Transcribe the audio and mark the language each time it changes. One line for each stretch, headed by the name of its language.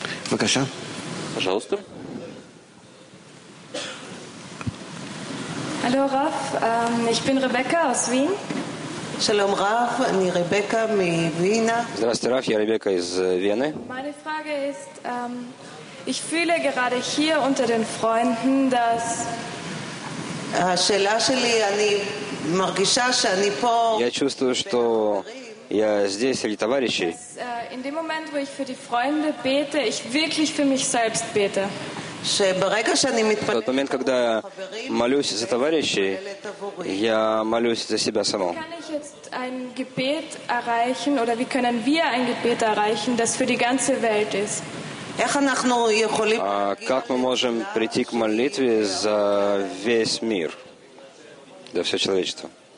Russian: Пока. Пожалуйста.
German: Hallo Raf, ich bin Rebecca aus Wien.
Hebrew: Shalom Raf, ni Rebecca mi Vienna.
Russian: Здравствуйте, Раф, я Ребекка из Вены.
German: Meine Frage ist, ich fühle gerade hier unter den Freunden, dass
Hebrew: השאלה שלי, אני מרגישה שאני פה.
Russian: Я чувствую, что я здесь среди товарищей.
German: In dem Moment, wo ich für die Freunde bete, ich wirklich für mich selbst bete.
Russian: В тот момент, когда я молюсь за товарищей, я молюсь за себя саму. Как мы можем прийти к молитве за весь мир, за все человечество?